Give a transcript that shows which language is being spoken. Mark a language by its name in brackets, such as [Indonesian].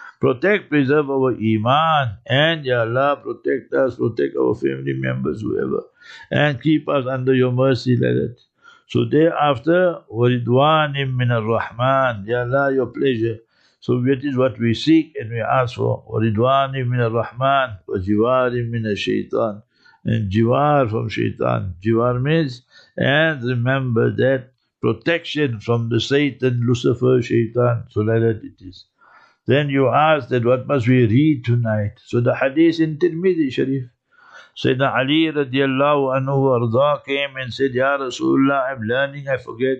[English] Protect, preserve our iman. And Ya Allah, protect us, protect our family members, whoever. And keep us under your mercy, let it. So thereafter, [Arabic] وَرِدْوَانِمْ مِنَ الرَّحْمَانِ, [English] Ya Allah, your pleasure. So that is what we seek and we ask for. [Arabic] وَرِدْوَانِمْ مِنَ الرَّحْمَانِ وَجِوَارِمْ مِنَ الشَّيْطَانِ, [English] and jiwar from shaitan. Jiwar means, and remember that protection from the Satan, Lucifer, shaitan. So like that it is. Then you ask that what must we read tonight? So the hadith in Tirmidhi Sharif, Sayyidina Ali radiallahu anhu arda came and said, Ya Rasulullah, I'm learning, I forget.